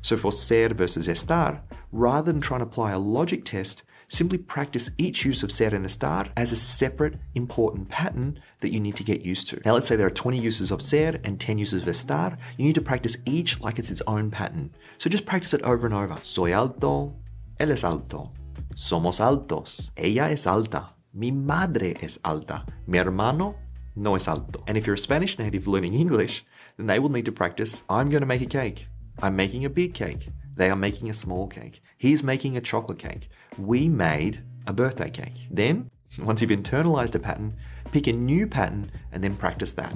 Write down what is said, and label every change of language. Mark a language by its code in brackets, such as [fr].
[en] So for ser versus estar, rather than trying to apply a logic test, simply practice each use of ser and estar as a separate important pattern that you need to get used to. Now, let's say there are 20 uses of ser and 10 uses of estar. You need to practice each like it's its own pattern. So just practice it over and over. [es] Soy alto, él es alto, somos altos, ella es alta, mi madre es alta, mi hermano no es alto. [en] And if you're a Spanish native learning English, then they will need to practice, I'm going to make a cake, I'm making a big cake, they are making a small cake, he's making a chocolate cake, we made a birthday cake. Then, once you've internalized a pattern, pick a new pattern and then practice that.